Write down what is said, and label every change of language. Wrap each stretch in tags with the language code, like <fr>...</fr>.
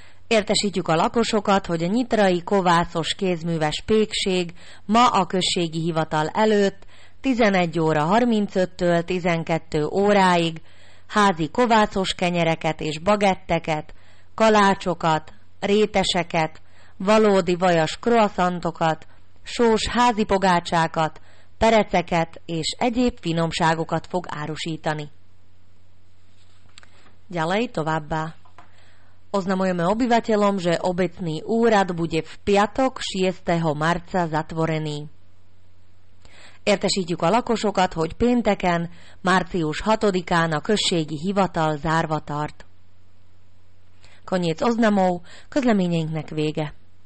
<hu>Értesítjük a lakosokat, hogy a nyitrai kovászos kézműves pékség ma a községi hivatal előtt 11 óra 35-től 12 óráig házi kovászos kenyereket és bagetteket, kalácsokat, réteseket, valódi vajas kroaszantokat, sós házi pogácsákat, pereceket és egyéb finomságokat fog árusítani.</hu> <sk>Ďalej</sk> <hu>továbbá.</hu> <sk>Oznamujeme obyvateľom, že obecný úrad bude v piatok 6. marca zatvorený.</sk> <hu>Értesítjük a lakosokat, hogy pénteken, március 6-án a községi hivatal zárva tart.</hu> <sk>Koniec oznamov,</sk> <hu>közleményeinknek vége.</hu>